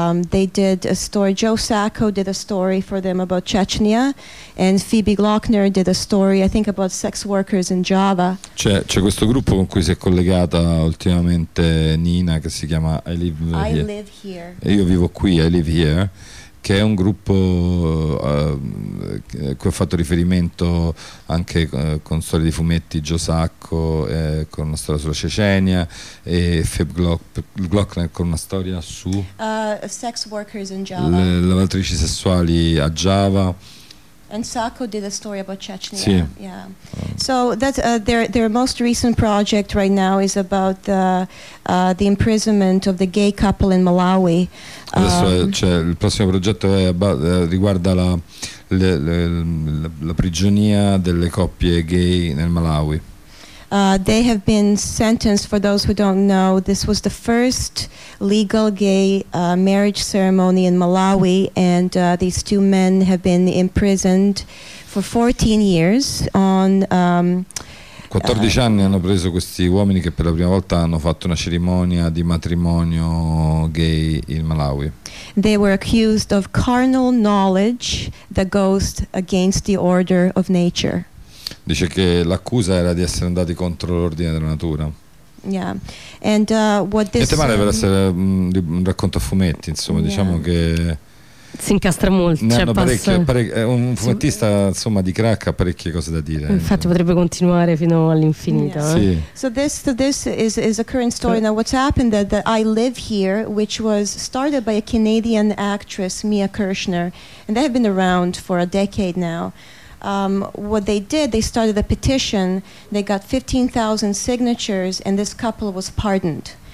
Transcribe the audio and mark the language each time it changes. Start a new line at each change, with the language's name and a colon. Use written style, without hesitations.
English: They did a story, Joe Sacco did a story for them about Chechnya, and Phoebe Glockner did a story, I think, about sex workers in Java.
Italian: C'è questo gruppo con cui si è collegata ultimamente Nina, che si chiama I Live Here. E io vivo qui, I Live Here. Che è un gruppo a cui ho fatto riferimento anche con storie di fumetti, Joe Sacco con una storia sulla Cecenia e Phoebe Glockner con una storia su
English: sex workers in Java.
Italian: Le lavatrici sessuali a Java.
English: And Sacco did a story about Chechnya.
Italian: Sì.
English: Yeah. So that's their most recent project right now is about the imprisonment of the gay couple in Malawi.
Italian: Adesso cioè il prossimo progetto riguarda la prigionia delle coppie gay nel Malawi.
English: They have been sentenced, for those who don't know, this was the first legal gay marriage ceremony in Malawi, and these two men have been imprisoned for 14 years on
Italian: 14 anni hanno preso questi uomini che per la prima volta hanno fatto una cerimonia di matrimonio gay in Malawi.
English: They were accused of carnal knowledge that goes against the order of nature.
Italian: Dice che l'accusa era di essere andati contro l'ordine della natura.
English: Yeah. And what this
Italian: niente male per essere un racconto a fumetti, insomma, diciamo che si incastra molto, cioè parecchio, un fumettista insomma di crack ha parecchie cose da dire, infatti potrebbe continuare fino all'infinito. Sì.
English: So this is a current story. Now what's happened that I live here, which was started by a Canadian actress, Mia Kirshner, and they have been around for a decade now. What they did, they started a petition, they got 15,000 signatures, and this couple was pardoned.